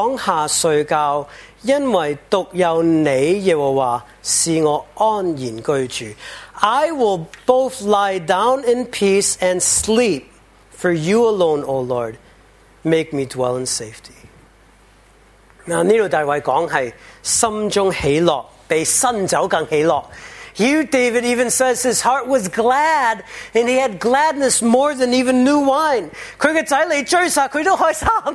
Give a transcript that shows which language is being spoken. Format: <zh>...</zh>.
<zh>我必然躺下睡觉, 因为独有你耶和华, 使我安然居住。</zh> <en>I will both lie down in peace and sleep, for you alone, O Lord, make me dwell in safety.</en> <zh>Now, 这里大卫讲是心中喜乐, 比新酒更喜乐。</zh> <en>Here David even says his heart was glad, and he had gladness more than even new wine.</en> <zh>他的仔来追杀,他都开心。</zh>